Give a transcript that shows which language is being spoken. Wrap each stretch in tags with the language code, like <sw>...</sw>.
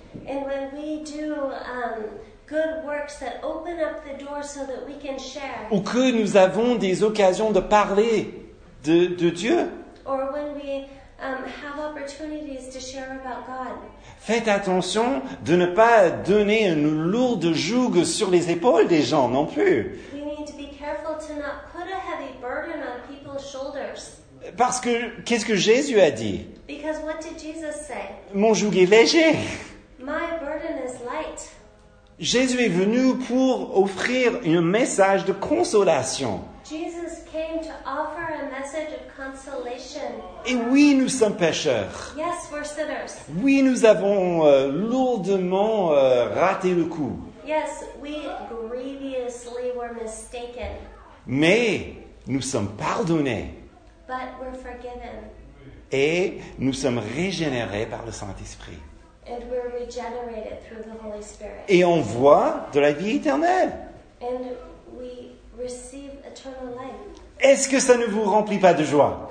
<en>and when we do good works that open up the door so that we can share,</en> <fr>ou que nous avons des occasions de parler de Dieu,</fr> <en>or when we have opportunities to share about God.</en> <fr>Faites attention de ne pas donner une lourde joug sur les épaules des gens non plus.</fr> <en>We need to be careful to not put a heavy burden on people's shoulders.</en> <fr>Parce que qu'est-ce que Jésus a dit?</fr> <en>Because what did Jesus say?</en> <fr>Mon joug est léger.</fr> <en>My burden is light.</en> <fr>Jésus est venu pour offrir un message de consolation.</fr> <en>Jesus came to offer a message of consolation.</en> <fr>Et oui, nous sommes pécheurs.</fr> <en>Yes, we're sinners.</en> <fr>Oui, nous avons lourdement raté le coup.</fr> <en>Yes, we grievously were mistaken.</en> <fr>Mais nous sommes pardonnés.</fr> <en>But we're forgiven.</en> <fr>Et nous sommes régénérés par le Saint-Esprit.</fr> <en>And we're regenerated through the Holy Spirit.</en> <fr>Et on voit de la vie éternelle.</fr> <en>And we receive eternal life.</en> <fr>Est-ce que ça ne vous remplit pas de joie?</fr>